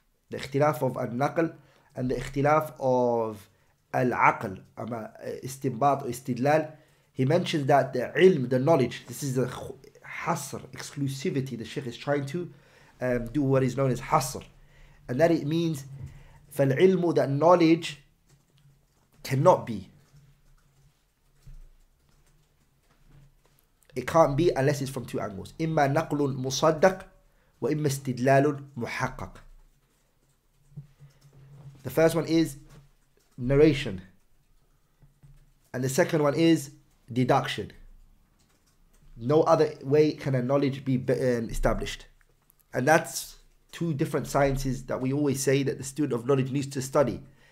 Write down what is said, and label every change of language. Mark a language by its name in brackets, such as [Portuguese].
[Arabic] The اختلاف of النقل and the اختلاف of العقل أما استنباط استدلال. [English] He mentions that the علم, the knowledge, this is a حصر, exclusivity. The Sheikh is trying to do what is known as حصر, and that it means فالعلم, that knowledge cannot be, it can't be unless it's from two angles. [Arabic] إما نقل مصدق وإما استدلال محقق. [English] The first one is narration, and the second one is deduction. No other way can a knowledge be established. And that's two different sciences that we always say that the student of knowledge needs to study.